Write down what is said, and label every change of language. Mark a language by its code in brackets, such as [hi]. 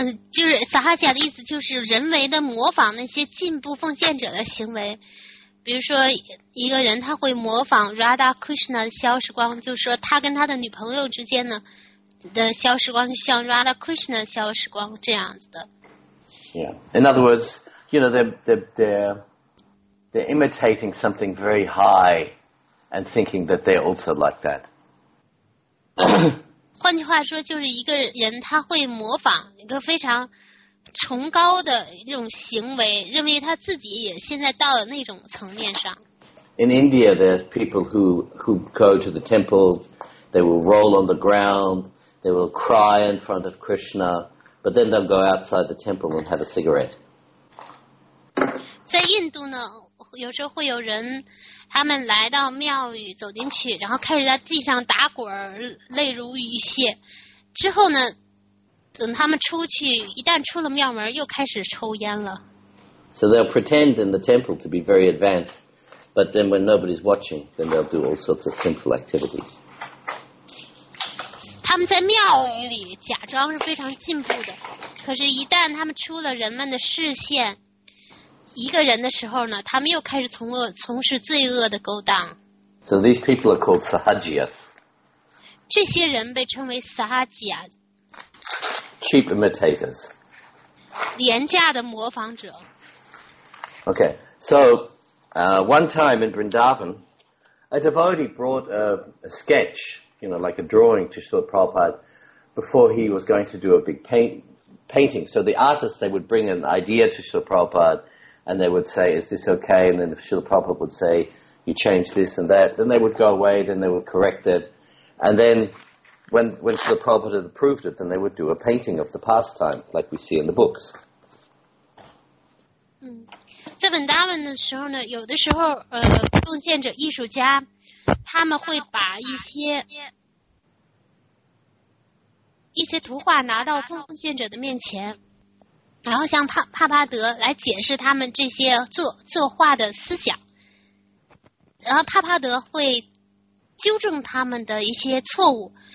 [zh] 就是萨哈贾的意思就是人为的模仿那些进步奉献者的行为，比如说一个人他会模仿 Radha Krishna 的消时光，就是说他跟他的女朋友之间呢的消时光像 Radha Krishna 的消时光这样子的。 [en] Yeah, in other words, you know, they're imitating something very high and thinking that they're also like that. [zh] 换句话说，就是一个人他会模仿一个非常崇高的这种行为，认为他自己也现在到了那种层面上。 [en] In India, there's people who go to the temple. They will roll on the ground. They will cry in front of Krishna, but then they'll go outside the temple and have a cigarette. [zh] 在印度呢，有时候会有人他们来到庙宇走进去，然后开始在地上打滚，泪如雨泻，之后呢等他们出去，一旦出了庙门又开始抽烟了。 [en] So they'll pretend in the temple to be very advanced, but then when nobody's watching, then they'll do all sorts of sinful activities. [zh] 他们在庙宇里假装是非常进步的，可是一旦他们出了人们的视线一个人的时候呢，他们又开始从事罪恶的勾当。 [en] So these people are called Sahajiyas. [zh] 这些人被称为 Sahajiyas. [en] Cheap imitators. [zh] 廉价的模仿者。 [en] Okay, so, one time in Vrindavan, a devotee brought a sketch, you know, like a drawing to Srila Prabhupada before he was going to do a big painting. So the artists, they would bring an idea to Srila Prabhupada and they would say, is this okay? And then if Srila Prabhupada would say, you change this and that, then they would go away, then they would correct it. And then,When Srila Prabhupada had approved it, then they would do a painting of the pastime, like we see in the books. [zh] 在本达文的时候呢，有的时候，贡献者艺术家，他们会把一些图画拿到奉献者的面前，然后向帕帕德来解释他们这些作画的思想，然后帕帕德会纠正他们的一些错误。